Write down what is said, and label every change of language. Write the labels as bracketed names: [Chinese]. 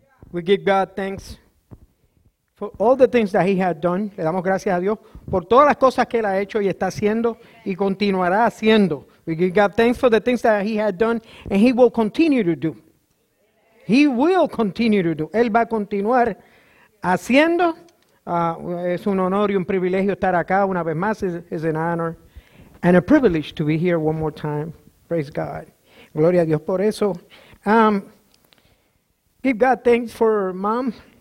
[English] We give God thanks for all the things that he has done. [Spanish] Le damos gracias a Dios por todas las cosas que él ha hecho y está haciendo y continuará haciendo. [English] We give God thanks for the things that he has done and he will continue to do. He will continue to do. [Spanish] Él va a continuar haciendo. Es un honor y un privilegio estar acá una vez más. [English] It's an honor and a privilege to be here one more time. Praise God. [Spanish] Gloria a Dios por eso. [English] Give God thanks for mom.